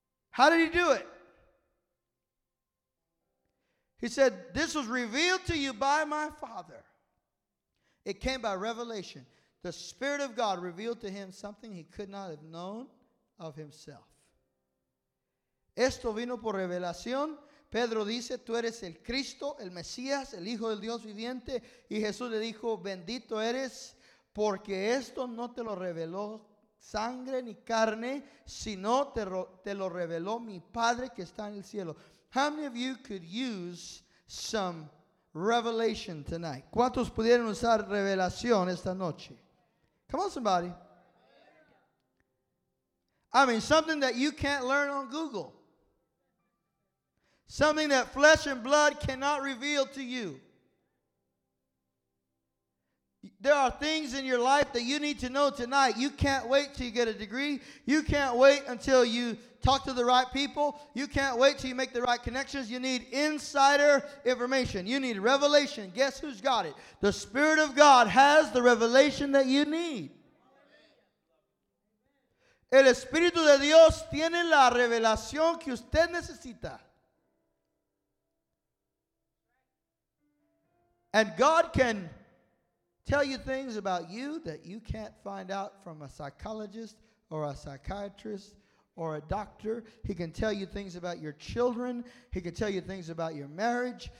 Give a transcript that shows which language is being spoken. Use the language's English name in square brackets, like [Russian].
[English] How did he do it? He said, this was revealed to you by my Father. It came by revelation. The Spirit of God revealed to him something he could not have known of himself. [Spanish] Esto vino por revelación. Pedro dice, tú eres el Cristo, el Mesías, el Hijo del Dios viviente. Y Jesús le dijo, bendito eres, porque esto no te lo reveló sangre ni carne, sino te lo reveló mi Padre que está en el cielo. [English] How many of you could use some revelation tonight? [Spanish] ¿Cuántos pudieron usar revelación esta noche? [English] Come on, somebody. I mean, something that you can't learn on Google. Something that flesh and blood cannot reveal to you. There are things in your life that you need to know tonight. You can't wait till you get a degree. You can't wait until you talk to the right people. You can't wait till you make the right connections. You need insider information. You need revelation. Guess who's got it? The Spirit of God has the revelation that you need. [Spanish] El Espíritu de Dios tiene la revelación que usted necesita. [English] And God can tell you things about you that you can't find out from a psychologist or a psychiatrist or a doctor. He can tell you things about your children. He can tell you things about your marriage.